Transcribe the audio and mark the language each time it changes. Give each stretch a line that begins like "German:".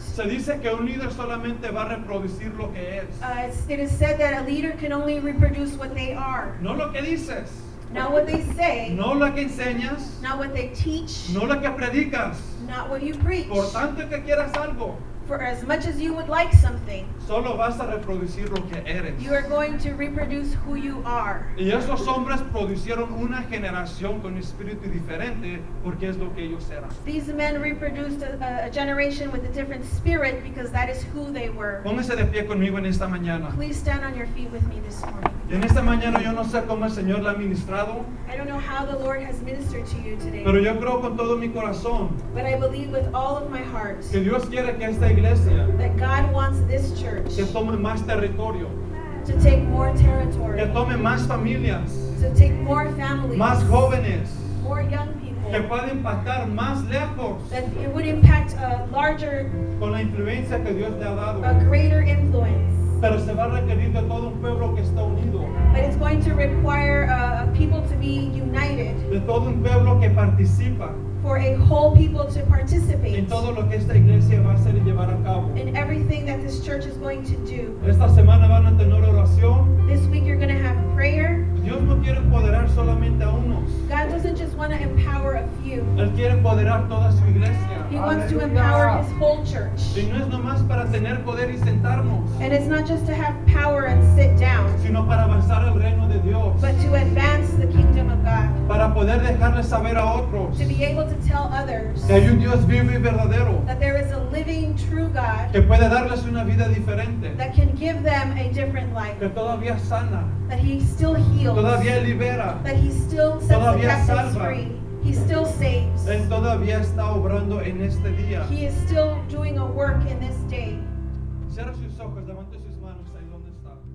Spanish: Se dice que un líder solamente va a reproducir lo que es.
English: It is said that a leader can only reproduce what they are.
Spanish: No lo que dices.
English: Not what they say.
Spanish: No lo que enseñas.
English: Not what they teach.
Spanish: No lo que predicas.
English: Not what you preach.
Spanish: Por tanto que quieras algo.
English: For as much as you would like something.
Spanish: Solo vas a reproducir lo que eres.
English: You are going to reproduce who you are.
Spanish: Y esos hombres producieron una generación con espíritu diferente porque es lo que ellos eran.
English: These men reproduced a generation with a different spirit because that is who they were.
Spanish: Póngase de pie conmigo en esta mañana.
English: Please stand on your feet with me this morning.
Spanish: En esta mañana yo no sé cómo el Señor le ha ministrado.
English: I don't know how the Lord has ministered to you today.
Spanish: Pero yo creo con todo mi corazón.
English: But I believe with all of my heart.
Spanish: Que Dios quiere que esta iglesia.
English: That God wants this church.
Spanish: Que tome más territorio.
English: To take more territory.
Spanish: Que tome más familias.
English: To take more families.
Spanish: Más jóvenes.
English: More young people.
Spanish: Que pueda impactar más lejos.
English: That it would impact a larger.
Spanish: Con la influencia que Dios te ha dado.
English: A greater influence.
Spanish: Pero se va a requerir de todo un pueblo que está unido.
English: But it's going to require a people to be united.
Spanish: De todo un pueblo que participa.
English: For a whole people to participate.
Spanish: En todo lo que esta iglesia va a hacer y llevar a cabo.
English: In everything that this church is going to do.
Spanish: Esta semana van a tener oración.
English: This week you're going to have prayer.
Spanish: Dios no quiere empoderar solamente a unos.
English: God doesn't just want to empower a few.
Spanish: Él quiere empoderar toda su iglesia.
English: He wants to empower his whole church.
Spanish: Y no es nomás para tener poder y sentarnos.
English: And it's not just to have power and sit down.
Spanish: Sino para avanzar el reino de Dios.
English: But to advance the kingdom of God.
Spanish: Para poder dejarles saber a otros.
English: To be able to tell others.
Spanish: Que hay un Dios vivo y verdadero.
English: That there is a living, true God.
Spanish: Que puede darles una vida diferente.
English: That can give them a different life.
Spanish: Que todavía sana.
English: That he still heals.
Spanish: Todavía libera.
English: That he still sets
Spanish: todavía
English: the captives
Spanish: salva.
English: Free. He still saves.
Spanish: Él todavía está obrando en este día.
English: He is still doing a work in this day.
Spanish: Cierra sus ojos, levante sus manos ahí donde está.